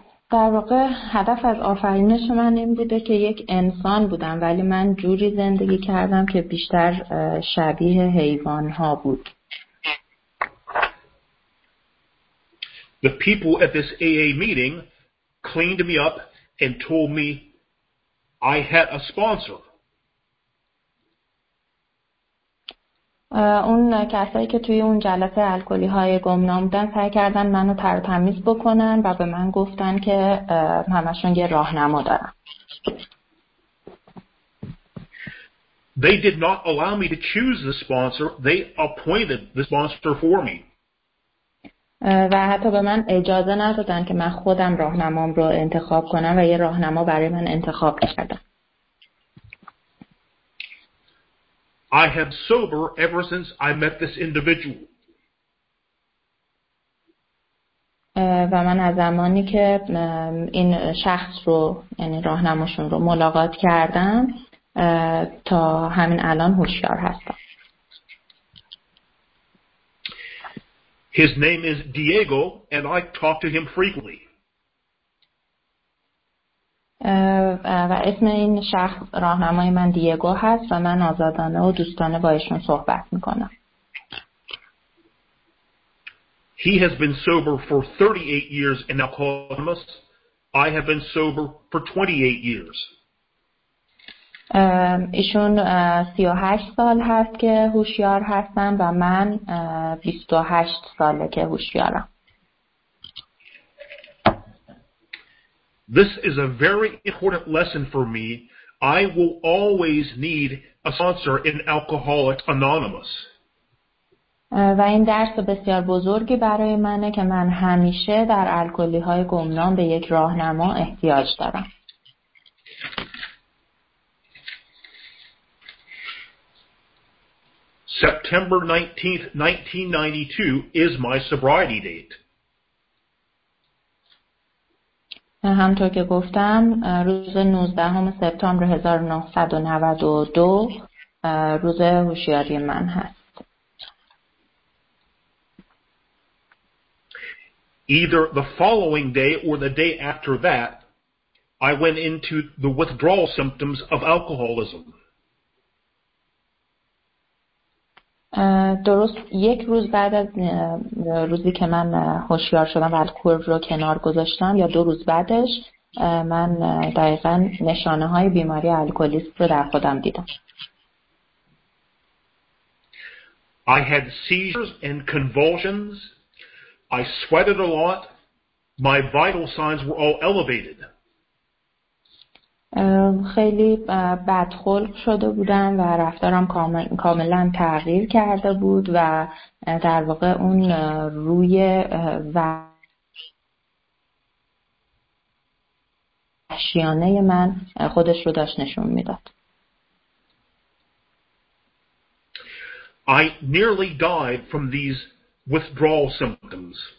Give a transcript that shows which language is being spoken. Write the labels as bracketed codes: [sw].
[fa] در واقع هدف از آفرینش من این بوده که یک انسان بودم ولی من جوری زندگی کردم که بیشتر شبیه حیوان ها بود. [en] The people at this AA meeting cleaned me up and told me I had a sponsor. [fa] اون کسایی که توی اون جلسه الکلی های گمنام بودن سعی کردن منو ترتمیز بکنن و به من گفتن که همشون یه راهنما دارن. [en] They did not allow me to choose the sponsor. They appointed the sponsor for me. [fa] و حتی به من اجازه ندادن که من خودم راهنمام رو انتخاب کنم و یه راهنما برای من انتخاب کردن. [en] I have sober ever since I met this individual. [fa] و من از زمانی که این شخص رو یعنی راهنماشون رو ملاقات کردم تا همین الان هوشیار هستم. [en] His name is Diego and I talk to him frequently. [fa] و اسم این شخص راهنمای من دیگو هست و من آزادانه و دوستانه با ایشون صحبت میکنم. [en] He has been sober for 38 years and alcoholic. I have been sober for 28 years. [fa] ایشون 38 سال هست که هوشیار هستم و من 28 ساله که هوشیارم. [en] This is a very important lesson for me. I will always need a sponsor in Alcoholics Anonymous. [fa] و این درس بسیار بزرگی برای منه که من همیشه در الکلی های گمنام به یک راهنما احتیاج دارم. [en] September 19th, 1992 is my sobriety date. [fa] همطور که گفتم روز 19 سپتامبر 1992 روز هوشیاری من هست. [en] Either the following day or the day after that, I went into the withdrawal symptoms of alcoholism. [fa] درست یک روز بعد از روزی که من هوشیار شدم و الکل رو کنار گذاشتم یا دو روز بعدش من دقیقا نشانه های بیماری الکلیسم رو در خودم دیدم. [en] I had seizures and convulsions. I sweated a lot. My vital signs were all elevated. [fa] خیلی بدخلق شده بودم و رفتارم کاملا تغییر کرده بود و در واقع اون روی وحشیانه من خودش رو داشت نشون میداد. [en] I nearly died from these withdrawal symptoms.